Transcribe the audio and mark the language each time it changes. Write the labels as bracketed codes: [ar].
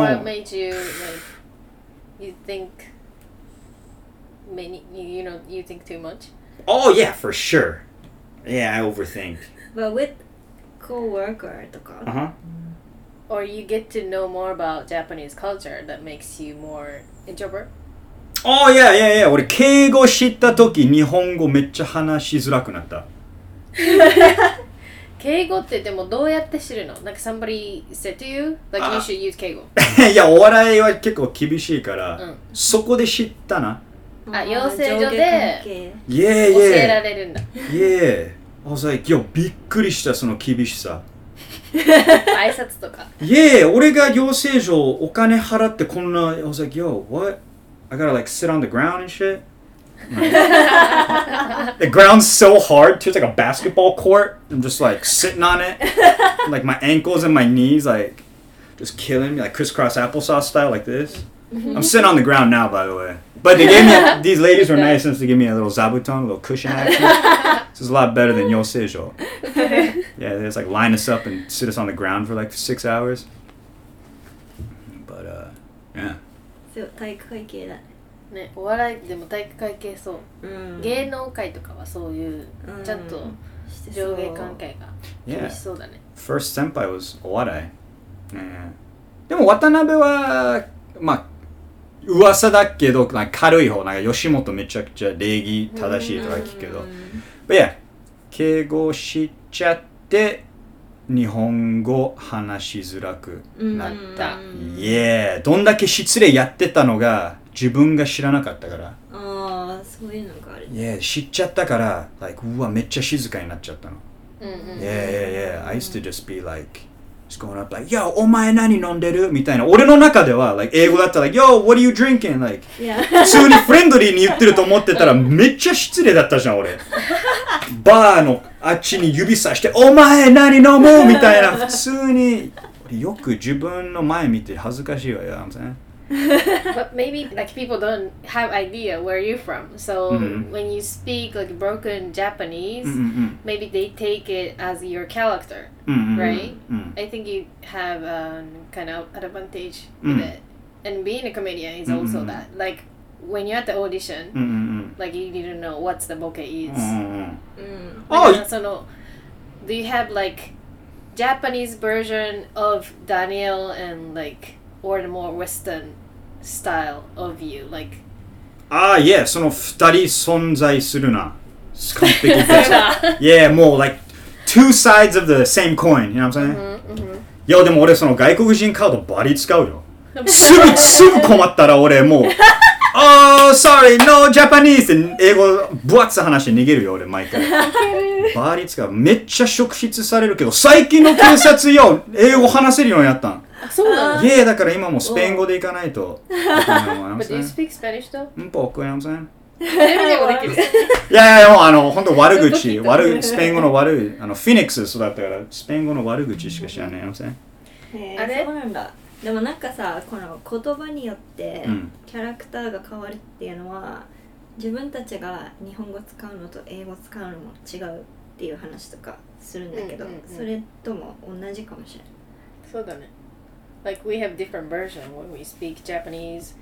[en] What made you like you think you think too much? Oh yeah, for sure. Yeah, I overthink. But with co-worker or you get to know more about Japanese culture that makes you more introvert? Oh yeah. [ja] 俺敬語知った時日本語めっちゃ話しづらくなった。敬語ってでもどうやって知るの? [en] Like somebody said to you, like you should use 敬語。 [ja] いや、お笑いは結構厳しいから、うん、そこで知ったな。あ、養成所で教えられるんだ。 [en] Yeah. I was like, yo, [ja] びっくりした、その厳しさ。挨拶とか。 [en] Yeah, [ja] 俺が養成所お金払ってこんな、 [en] I was like, yo, what? I gotta like sit on the ground and shit. The ground's so hard too. It's like a basketball court. I'm just like sitting on it. Like my ankles and my knees like just killing me. Like crisscross applesauce style like this. I'm sitting on the ground now, by the way. But they gave me, these ladies were nice enough to give me a little zabuton, a little cushion action. This is a lot better than yosejo. Yeah, they just like line us up and sit us on the ground for like 6 hours. But yeah. [ja] そう、体育会系だね。お笑いでも体育会系そう、うん、芸能界とかはそういう、ちゃんと上下関係が厳しそうだね。 [en] Yeah. First 先輩 was お笑い、yeah. [ja] でも渡辺はまあ噂だけどなんか軽い方、なんか吉本めちゃくちゃ礼儀正しいとか聞くけど、うん、 [en] But yeah, [ja] 敬語しちゃって日本語話しづらくなった。 [en] Yeah. [ja] どんだけ失礼やってたのが自分が知らなかったから。ああ、そういうのがある。 [en] Yeah. [ja] 知っちゃったから、like, うわ、めっちゃ静かになっちゃったの。 [en] Yeah. I used to just be like, just going up like, yo, [ja] お前何飲んでる?みたいな。俺の中では、 [en] like, [ja] 英語だったら、 [en] like, yo, what are you drinking? Like, yeah. [ja] 普通にフレンドリーに言ってると思ってたら、めっちゃ失礼だったじゃん、俺。バーのあっちに指さしてお前何飲むみたいな普通によく自分の前見て恥ずかしいわよ。 [en] But maybe like people don't have idea where you're from, so、 mm-hmm. when you speak like broken Japanese、 mm-hmm. maybe they take it as your character、 mm-hmm. right、 mm-hmm. I think you have a kind of advantage with、mm-hmm. it, and being a comedian is also、 mm-hmm. that likeWhen you're at the audition,、 mm-hmm. like you didn't know what's the bokeh is.、 Mm-hmm. Like, do you have like Japanese version of Daniel and like, or the more Western style of you? Like, [ja] ah, yeah, その二人存在するな。完璧です。 [en] Yeah, more like two sides of the same coin, you know what I'm saying? Mm-hmm. [ja] Yo, でも俺その外国人カードバリ使うよ。すぐ困ったら俺もう。 [en] Oh, sorry, no Japanese! [ja] 英語、分厚い話で逃げるよ、俺、毎回。バーリー使う。めっちゃ職質されるけど、最近の警察よ、英語話せるようになったん。そうなの? [en] Yeah, [ja] だから今もスペイン語で行かないと。 [en] But do you speak Spanish though? [ja] んぽ、こういうのもさ。全部英語できる。いやいや、もうあの、ほんと悪口、スペイン語の悪い、あの、フィニックス育ったから、スペイン語の悪口しか知らないのさ。へぇ、あれ?そうなんだ。でもなんかさ、この言葉によってキャラクターが変わるっていうのは、うん、自分たちが日本語使うのと英語使うのも違うっていう話とかするんだけど、うんうんうん、それとも同じかもしれない。そうだね。 [en] Like we have different version when we speak Japanese,